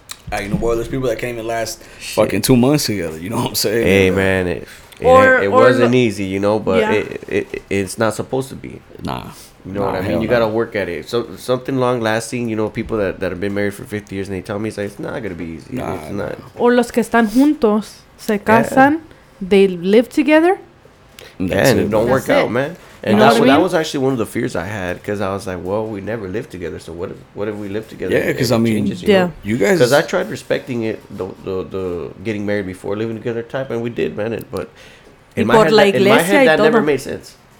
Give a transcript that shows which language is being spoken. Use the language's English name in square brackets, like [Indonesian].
[English] Hey, you know, boy, there's people that came in last fucking 2 months together. You know what I'm saying? Hey, man. It wasn't easy, you know, but it's not supposed to be. Nah. You know what I mean? You got to work at it. So something long lasting, you know, people that have been married for 50 years and they tell me, it's not going to be easy. Nah, it's not. [Spanish] Or los que están juntos, se casan, [English] they live together. And it don't work out, man. And that was actually one of the fears I had, because I was like, well, we never lived together, so what if we lived together? Yeah, because I mean, you guys, because I tried respecting it, the getting married before living together type, and we did, man. But in my head, that never made sense.